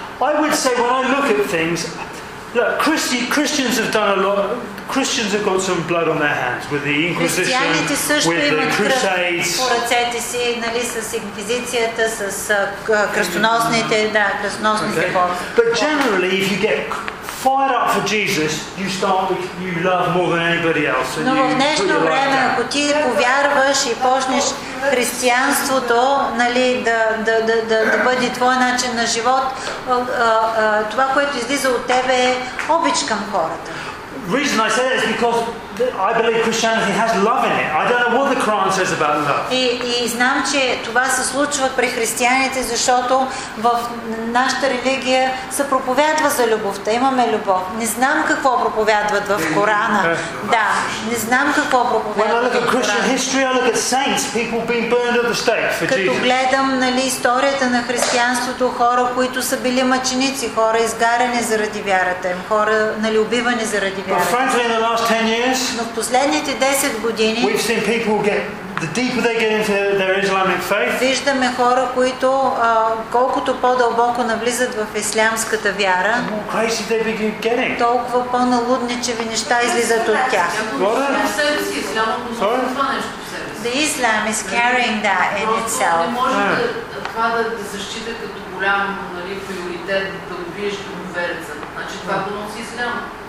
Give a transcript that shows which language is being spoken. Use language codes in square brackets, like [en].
[en] I would say when I look at things, Look, Christians have done a lot. Christians have got some blood on their hands with the Inquisition, with the Crusades. [bg] По ръцете си, нали, с инквизицията, с кръстоносните, да, кръстоносните бой. [en] But generally, if you get fired up for Jesus, you start with, you love more than anybody else. [bg] Но в днешно време, ако ти повярваш и почнеш християнството, нали, да бъде твой начин на живот, това, което излиза от тебе, е обич към хората. [en] Reason I say that is because I believe Christianity has love in it. I don't know what the Quran says about love. [bg] И знам, че това се случва при християните, защото в нашата религия се проповядва за любовта. Имаме любов. Не знам какво проповядват в Корана. Да, не знам какво проповядват. [en] When I look at Christian history, I look at saints, people being burned at the stake for Jesus. [bg] Като гледам, нали, историята на християнството, хора, които са били мъченици, хора изгаряни заради вярата им, хора, нали, убивани заради вярата. [en] But frankly, in the last 10 years, [bg] но последните 10 години, [en] we've seen people get the deeper they get into their Islamic faith. [bg] Виждаме хора, които колкото по-дълбоко навлизат в ислямската вяра, [en] the more crazy they begin getting. [bg] Толкова по-налудничеви неща излизат от тях. [en] The Islam is carrying that in itself. [bg] Не може това да те защита като голям, нали, приоритет, да убиеш конверца. Значи това го носи Ислам.